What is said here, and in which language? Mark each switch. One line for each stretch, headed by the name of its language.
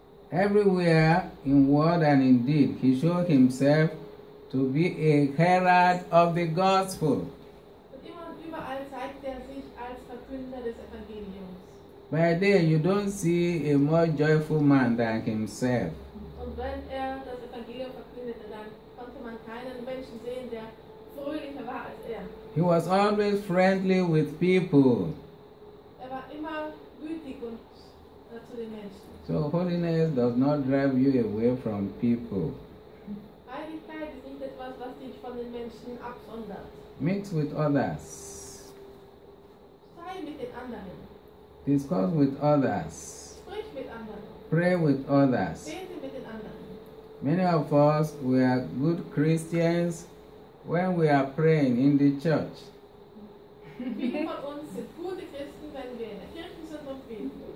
English: Everywhere in word and in deed, he showed himself to be a herald of the gospel.
German: Und immer und überall zeigt sich als Verkünder des Evangeliums.
English: By day, you don't see a more joyful man than himself.
German: Und wenn das Evangelium verkündete, dann konnte man keinen Menschen sehen, der fröhlicher war als
English: He was always friendly with people.
German: Er war immer gütig und zu den Menschen.
English: So holiness does not drive you away from people.
German: Heiligkeit ist nicht etwas, was dich von den Menschen absondert.
English: Mix with others.
German: Sei mit den anderen.
English: Discuss with others.
German: Sprich mit anderen.
English: Pray with others.
German: Bete mit den anderen.
English: Many of us, we are good Christians when we are praying in the church.
German: Viele von uns sind gute Christen, wenn wir in der Kirche sind und beten.